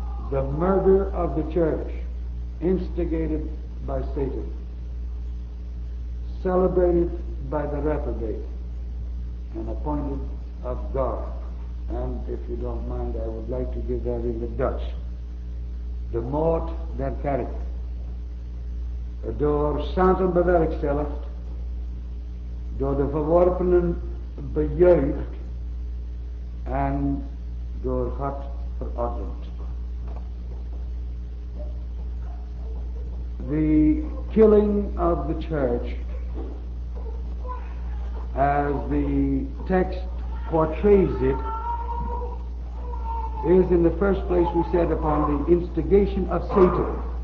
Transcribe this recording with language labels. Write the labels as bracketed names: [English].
[English] The murder of the church, instigated by Satan, celebrated by the reprobate, and appointed of God. And if you don't mind, I would like to give that in the Dutch. [Dutch] De moord der kerk. Door Satan bewerkstelligd, door de verworpenen bejeugd, en door God verordend. [English] The killing of the church, as the text portrays it, is in the first place, we said, upon the instigation of Satan.